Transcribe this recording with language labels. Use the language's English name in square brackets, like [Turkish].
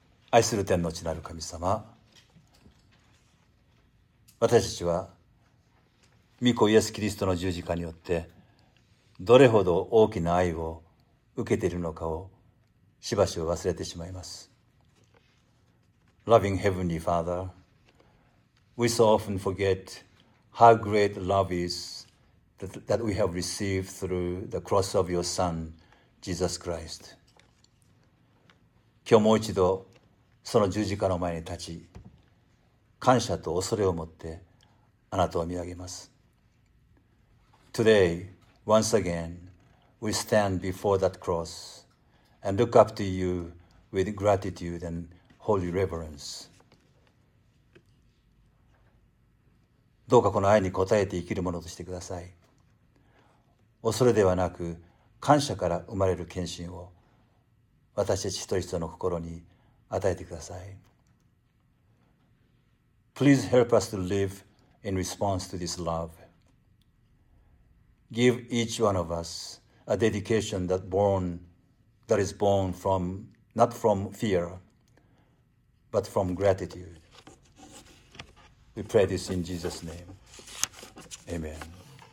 [Japanese] 愛する天の地なる神様、私たちは御子イエス・キリストの十字架によってどれほど大きな愛を受けているのかをしばし忘れてしまいます。 [English] Loving Heavenly Father, we so often forget how great love is that we have received through the cross of your Son, Jesus Christ. [Japanese] 今日もう一度その十字架の前に立ち、感謝と恐れを持ってあなたを見上げます。 [English] Today, once again, we stand before that crossand look up to you with gratitude and holy reverence. [Japanese] どうかこの愛に応えて生きるものとしてください。恐れではなく感謝から生まれる献身を私たち一人一人の心に与えてください。 [English] Please help us to live in response to this love. Give each one of us a dedication that is born from, not from fear, but from gratitude. We pray this in Jesus' name. Amen.